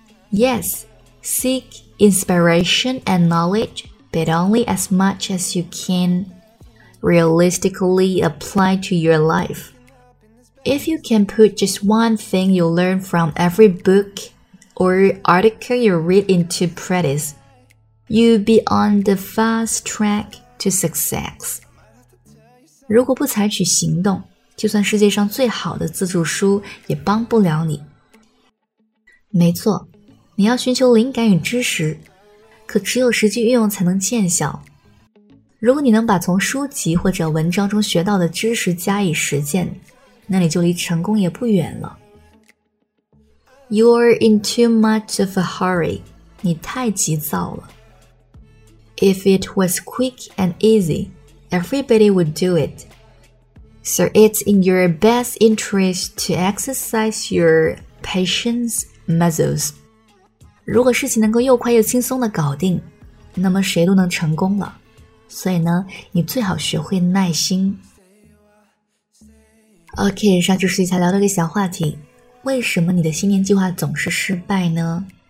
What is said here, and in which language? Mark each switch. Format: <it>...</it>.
<en>Yes, seek inspiration and knowledge, but only as much as you can realistically apply to your life. If you can put just one thing you learn from every book or article you read into practice, you'll be on the fast track to success.</en> <zh>如果不采取行动，就算世界上最好的自助书也帮不了你。没错，你要寻求灵感与知识，可只有实际运用才能见效。如果你能把从书籍或者文章中学到的知识加以实践，那你就离成功也不远了。</zh> <en>You're in too much of a hurry.</en> <zh>你太急躁了。</zh> <en>If it was quick and easy, everybody would do it. So it's in your best interest to exercise your patience muscles.</en> <zh>如果事情能够又快又轻松地搞定，那么谁都能成功了。所以呢，你最好学会耐心。 OK， 上就是一下聊了个小话题，为什么你的新年计划总是失败呢？</zh>